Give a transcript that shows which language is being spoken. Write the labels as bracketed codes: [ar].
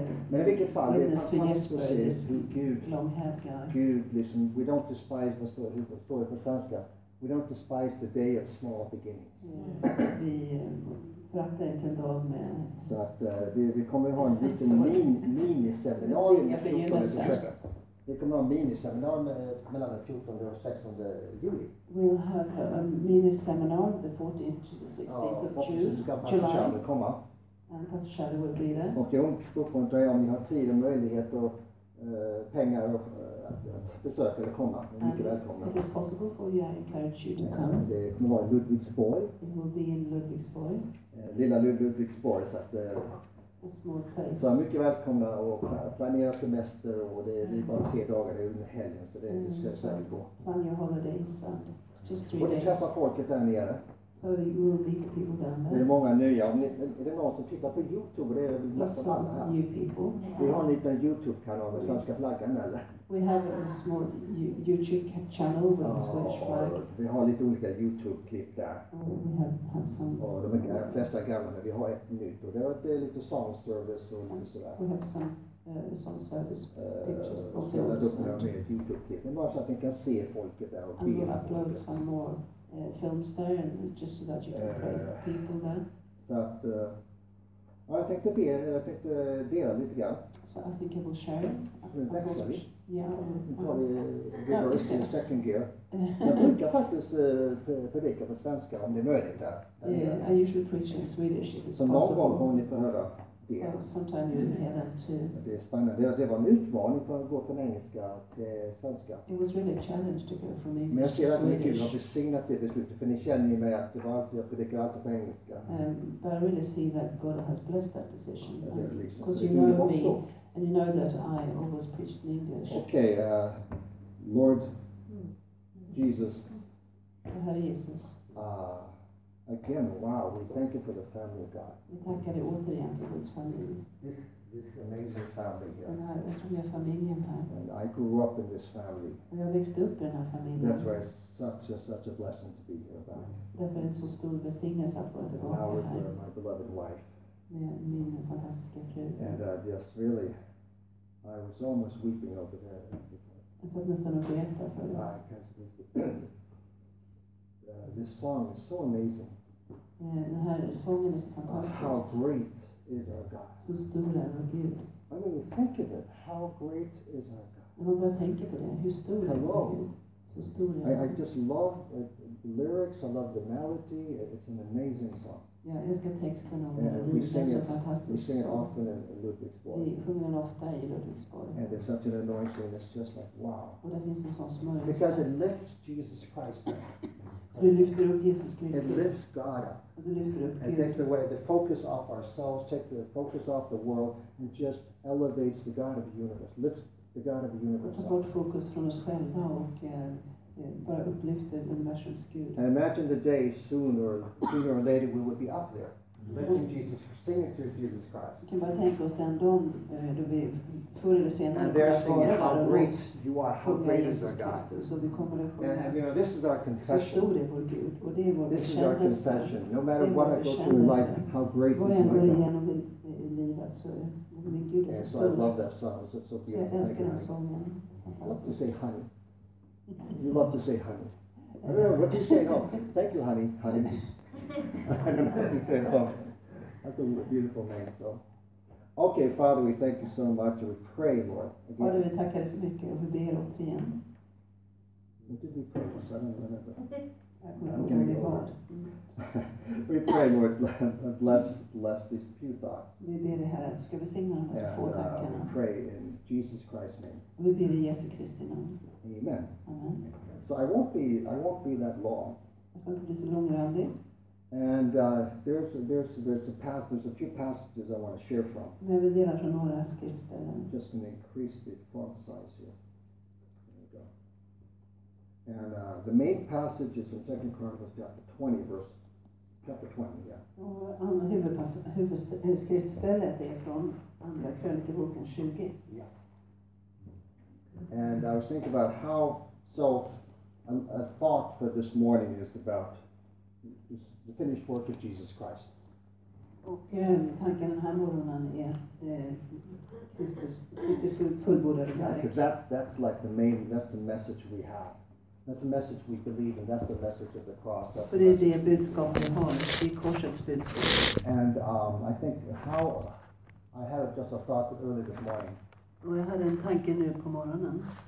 [sv] Men i vilket fall, det är fantastiskt att se Gud. Gud, liksom, [en] we don't despise, [sv] vad står det på svenska? [en] We don't despise the day of small beginnings. [sv] Vi pratar inte en dag med. Så att vi kommer ha en liten mini-seminarium. Jag begynner sen. Vi kommer ha en mini-seminar mellan den 14 och 16 juli. [en] We'll have a mini-seminar the 14th to the 16th of June, July. [sv] Ska Pastor komma. [en] And Pastor Shadow will be there. [sv] Och jag uppmuntrar om ni har tid och möjlighet och pengar och, att besöka eller komma. Ni är mycket välkomna. [en] If it's possible for you, I encourage you to come. [sv] Det kommer vara i Ludvigsborg. [en] It will be in Ludvigsborg. [sv] Lilla Ludvigsborg, så att [en] a small [sv] så mycket välkomna och planera semester och det är bara 3 dagar under helgen så det är ska jag säga på. [en] Plan your holidays just 3 days. [sv] Och träffa folket där nere. [en] So that you will meet people down there. [sv] Det är många nya. Är det någon som tittar på YouTube? Det är nästan alla här. [en] New people. [sv] Vi har en liten YouTube-kanal med svenska flaggan eller? [en] We have a small YouTube channel with a Swedish flag. [sv] Vi har lite olika YouTube-klipp där. [en] We have some. [sv] Och de flesta gamla, men vi har ett nytt. Och det är lite [en] song service [sv] och lite sådär. [en] We have some song service pictures of films. [sv] Jag har upp några mer YouTube-klipp. Men bara så att ni kan se folket där och be folket. [en] And we'll upload some more films there, and just so that you can pray for people there. [sv] Jag tänkte dela lite grann. [en] So I think I will share. [sv] Vi går i [en] second gear. [sv] Jag brukar faktiskt predika på svenska om det är möjligt där. [en] Yeah, I usually preach in Swedish if it's possible. [sv] Så någon gång kommer ni få höra det. [en] So sometime you will hear that too. [sv] Det är spännande. Det var en utmaning för att gå från engelska till svenska. [en] It was really a challenge to go from English. [sv] Men jag ser att ni har besignat det beslutet, för ni känner ju mig att det var alltid, jag predikar alltid på engelska. [en] But I really see that God has blessed that decision. Because you know me. And you know that I always preach in English. Okay, Lord Jesus. [sv] Herre Jesus. [en] Again, wow, we thank you for the family of God. [sv] Vi tackar dig återigen för Guds familj. [en] This amazing family here. [sv] Den här otroliga familjen här. [en] And I grew up in this family. [sv] Och jag växte upp i den här familjen. [en] That's why it's such a blessing to be here back. [sv] Därför är det så stor välsignelse att vara tillbaka här. [en] With my beloved wife. [sv] Min fantastiska fru. [en] And just really, I was almost weeping over there. [sv] Jag satt nästan och grät där förut. [en] This song is so amazing. [sv] Den här sången är så fantastisk. [en] How great is our God. [sv] Så stor är vår Gud. [en] I mean, think of it. How great is our God. [sv] Jag bara tänker på det. Hur stor är vår Gud? Så stor. [en] I just love the lyrics. I love the melody. It's an amazing song. [sv] Ja, jag älskar texten och melodin. Det är så fantastiskt. [en] We sing it often in Ludwigsburg. [sv] Vi sjunger den ofta i Ludwigsburg. [en] And there's such an anointing. It's just like wow. [sv] Och det finns en sån smörjelse. [en] Because it lifts Jesus Christ up. [sv] Du lyfter upp Jesus Kristus. [en] It lifts God up. It takes away the focus off ourselves, take the focus off the world, and just elevates the God of the universe, lifts the God of the universe. [sv] Ta bort fokus från oss själva och bara upplyfta universums Gud. [en] And imagine the day sooner or later we would be up there, lifting Jesus, singing to Jesus Christ. [sv] Kan bara tänka oss den dagen då vi förr eller senare. [en] And they're singing how great you are, how great is our God. [sv] Så vi kommer att sjunga. [en] And you know, this is our confession. [sv] Så stor är vår Gud och det är vår. [en] This is our confession. No matter what I go through in life, how great is my God. [sv] Gå igenom i livet så. [en] And so I love that song. It's so beautiful. Yeah, song, yeah. Love to say honey. You love to say honey. I don't know, what do you say? No. Thank you, honey. Honey. I don't know how to say no. That's a beautiful name. So, okay, Father, we thank you so much. We pray, Lord. Father, we thank you so much. We [sv] ber om dig igen. [en] What did we pray? I don't know. I'm going to go. We pray, Lord, bless these few thoughts. [sv] Vi ber dig, Herre, ska vi sänga de här få tankarna. [en] We pray in Jesus Christ's name. [sv] Vi ber i Jesu Kristi namn. [en] Amen. So I won't be that long. [sv] Jag ska inte bli så långrandig. [en] And there's a few passages I want to share from. [sv] Jag vill dela från några skriftställen. [en] Just to increase the font size here. And the main passage is from 2 Chronicles chapter 20, yeah. [sv] Och huvudskriftstället är från Andra Krönikeboken 20. [en] Yeah. And I was thinking about how, so a thought for this morning is about the finished work of Jesus Christ. [sv] Och tanken den här morgonen är Kristus fullbordade verk. [en] Because that's like the main, that's the message we have. That's the message we believe, and that's the message of the cross. [sv] För det är budskapet vi har, det är korsets budskap. [en] And I think how I had just a thought early this morning. [sv] Och jag hade en tanke nu på morgonen.